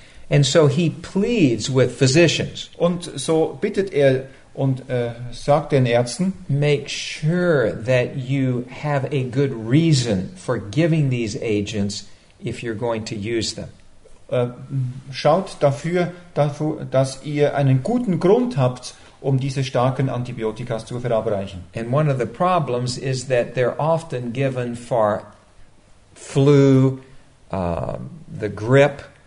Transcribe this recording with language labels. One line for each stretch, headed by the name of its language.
English: And so he pleads with physicians.
German: Und so bittet und sagt den Ärzten,
English: make sure that you have a good reason for giving these agents if you're going to use them.
German: Schaut dafür, dass ihr einen guten Grund habt, um diese starken Antibiotika zu verabreichen.
English: And one of the problems is that they're often given for flu, the grip.